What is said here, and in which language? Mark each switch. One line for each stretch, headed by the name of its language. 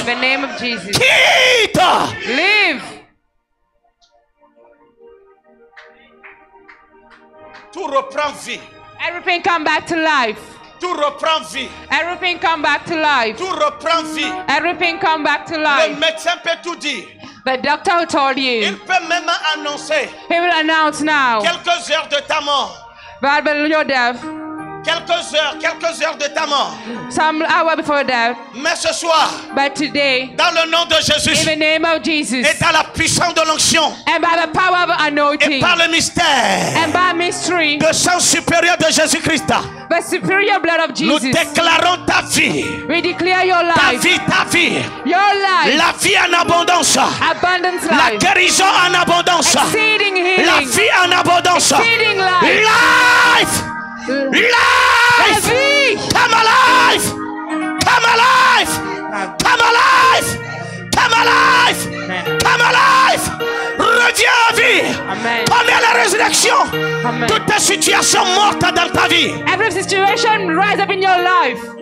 English: In the name of Jesus.
French: Quitte.
English: Leave.
French: Tout reprend vie.
English: Everything come back to life.
French: Tout reprend vie.
English: Everything come back to life.
French: Tout reprend vie.
English: Everything come back to life.
French: Le médecin peut tout dire.
English: The doctor who told you.
French: Il peut même annoncer.
English: He will announce now.
French: Quelques heures de ta mort.
English: But before your death.
French: Quelques heures de ta mort.
English: Some hour before death.
French: Mais ce soir.
English: But today.
French: Dans le nom de Jésus.
English: In the name of Jesus.
French: Et dans la puissance de l'onction.
English: And by the power of anointing.
French: Et par le mystère.
English: And by mystery.
French: Le sang supérieur de Jésus Christ.
English: The superior blood of Jesus.
French: Nous déclarons ta vie.
English: We declare your life.
French: Ta vie.
English: Your life.
French: La vie en abondance.
English: Abundant life.
French: La guérison en abondance.
English: Exceeding healing.
French: La vie en abondance.
English: Exceeding life. Life. Life.
French: La vie.
English: Come alive. Come alive. Come alive. Come alive. Amen. Come alive.
French: Reviens à vie.
English: Amen.
French: Prenez la résurrection.
English: Amen.
French: Toutes tes situations mortes dans ta vie.
English: Every situation rise up in your life.